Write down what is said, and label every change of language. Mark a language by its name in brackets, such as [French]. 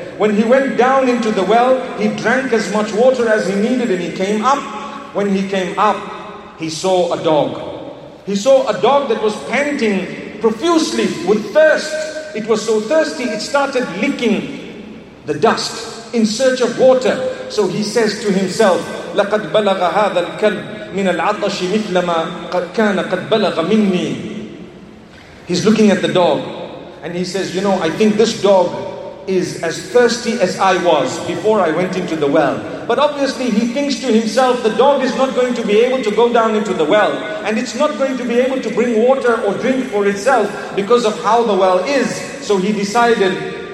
[English] When he went down into the well, he drank as much water as he needed and he came up. When he came up, he saw a dog. He saw a dog that was panting profusely with thirst. It was so thirsty, it started licking the dust in search of water. So he says to himself, [Arabic] لَقَدْ بَلَغَ هَذَا الْكَلْبْ مِنَ الْعَطَشِ مِثْلَ مَا كَانَ قَدْ بَلَغَ مِنِّي. [English] He's looking at the dog and he says, you know, I think this dog is as thirsty as I was before I went into the well. But obviously he thinks to himself, the dog is not going to be able to go down into the well, and it's not going to be able to bring water or drink for itself because of how the well is. So he decided,